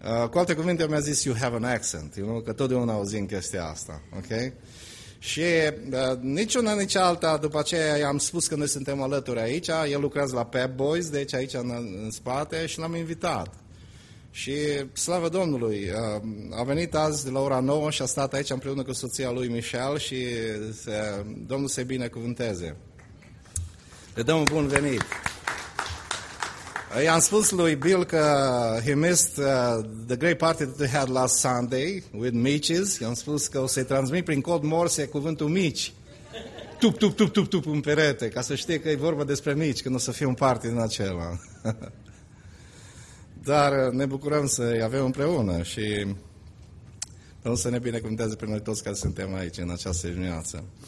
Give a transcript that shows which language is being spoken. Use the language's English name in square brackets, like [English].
[Romanian] Cu alte cuvinte, mi-a zis [English] you have an accent, you know? [Romanian] Că totdeauna auzim chestia asta, ok? Și nici una, nici alta, după aceea i-am spus că noi suntem alături aici, el lucrează la Pep Boys, deci aici în spate, și l-am invitat. Și slavă Domnului, a venit azi de la ora 9 și a stat aici împreună cu soția lui Michel și Domnul să-i binecuvânteze. Le dăm un bun venit. I-am spus lui Bill că [English] he missed the great party that we had last Sunday with Mitches. [Romanian] I-am spus că o să-i transmit prin cod morse cuvântul mici. Tup, tup, tup, tup, tup în perete, ca să știe că e vorba despre mici când o să fie un party din acela. dar ne bucurăm să îi avem împreună și Domnul să ne binecuvânteze pe noi toți care suntem aici în această dimineață.